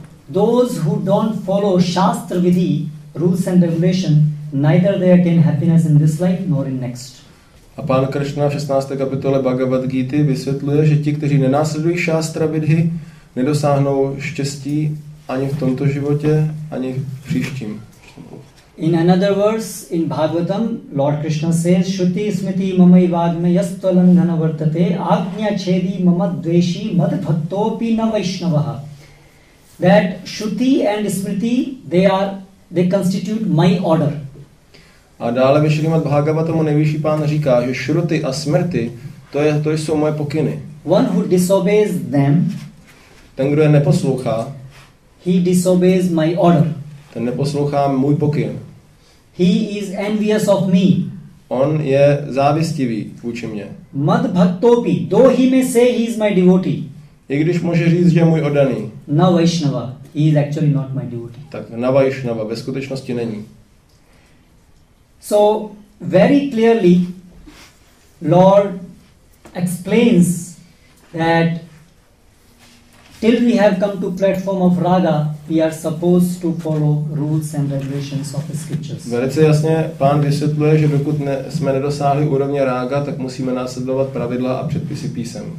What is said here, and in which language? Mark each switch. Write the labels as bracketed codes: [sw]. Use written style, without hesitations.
[en] Those who don't follow shastra vidhi, rules and regulation, neither they attain happiness in this life nor in next. [cs] A pán Krishna v 16. kapitole Bhagavad Gita vysvětluje, že ti, kteří nenásledují šástra vidhy, nedosáhnou štěstí ani v tomto životě, ani v příštím. [en] In another verse in Bhagavatam, Lord Krishna says, [sa] Shruti smriti mamai vagme yastva langhana vartate agnya chedi mama dveshi mad bhaktopi na vaishnavaha. [en] That Shruti and Smriti, they constitute my order. [cs] A dále ve Šrimad Bhagavatamu nejvyšší pán říká, že Shruti a Smriti, to jsou moje pokyny. [en] One who disobeys them, [cs] ten, kdo je neposlouchá, [en] he disobeys my order. [cs] Ten neposlouchá můj pokyn. [en] He is envious of me. [cs] On je závistivý vůči mě. [en] Mad bhaktopi, though he may say he is my devotee. [cs] I když může říct, že je můj oddaný. [en] Na Vaishnava, he is actually not my devotee. [cs] Tak na Vaishnava, ve skutečnosti není. [en] So, very clearly, Lord explains that till we have come to platform of Raga, we are supposed to follow rules and regulations of the scriptures. [cs] Velice jasně pán vysvětluje, že dokud jsme nedosáhli úrovně Raga, tak musíme následovat pravidla a předpisy písem.